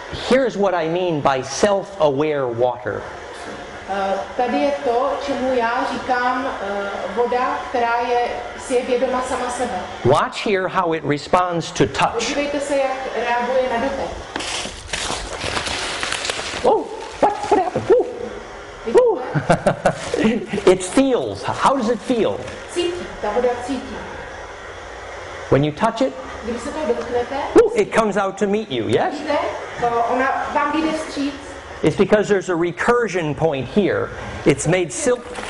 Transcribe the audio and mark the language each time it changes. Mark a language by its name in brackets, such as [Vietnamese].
[English] Here's what I mean by self-aware water. [Czech] Tady je to, čemu já říkám voda, která je si je vědoma sama sebe. [English] Watch here how it responds to touch. [Czech] Podívejte se, jak reaguje na dotek. [English] Oh, what happened? Ooh. Ooh. It feels. How does it feel? [Czech] Cítí, ta voda cítí. [English] When you touch it, [Czech] když se to dotknete, [English] ooh, it comes out to meet you, yes? [Czech] Vidíte, ona vám jde vstříc. [English] It's because there's a recursion point here. It's made silk.